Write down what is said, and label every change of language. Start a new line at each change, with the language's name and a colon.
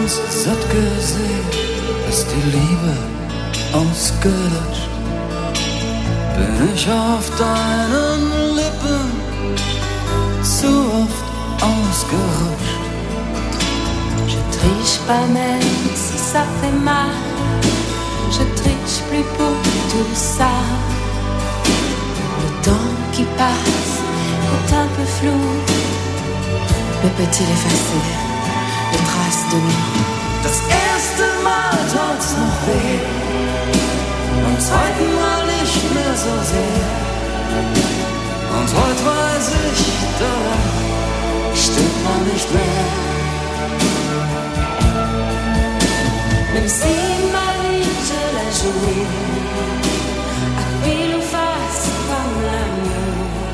German: Satt gesehen, ist die Liebe ausgelutscht. Bin ich auf deinen Lippen zu oft ausgerutscht.
French: Je triche pas même si ça fait mal. Je triche plus pour tout ça. Le temps qui passe est un peu flou. Mais peut-il effacer les traces de nous?
German: Das erste Mal tut's noch weh, beim zweiten Mal nicht mehr so sehr. Und heute weiß ich, da stimmt man nicht mehr.
French: Même si ma vie je la joue, à pile ou face comme l'amour.